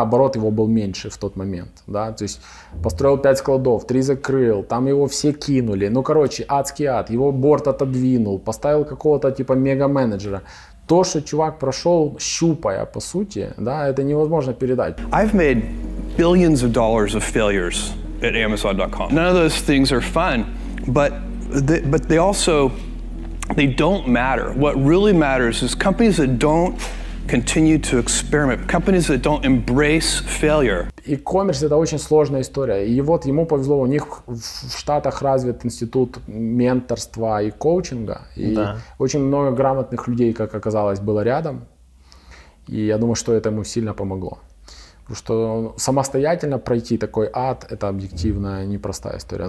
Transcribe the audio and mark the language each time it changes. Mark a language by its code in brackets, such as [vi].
[ru] Оборот его был меньше в тот момент. Да? То есть построил 5 складов, 3 закрыл. Там его все кинули. Ну, короче, адский ад. Его борт отодвинул. Поставил какого-то типа мега-менеджера. То, что чувак прошел, щупая, по сути, да, это невозможно передать. [en] I've made billions of dollars of failures at Amazon.com. None of those things are fun, but they also... They don't matter. What really matters is companies that don't continue to experiment, companies that don't embrace failure. [ru] E-commerce — это очень сложная история. И вот ему повезло, у них в Штатах развит институт менторства и коучинга. И да. Очень много грамотных людей, как оказалось, было рядом. И я думаю, что это ему сильно помогло. Потому что самостоятельно пройти такой ад — это объективно непростая история.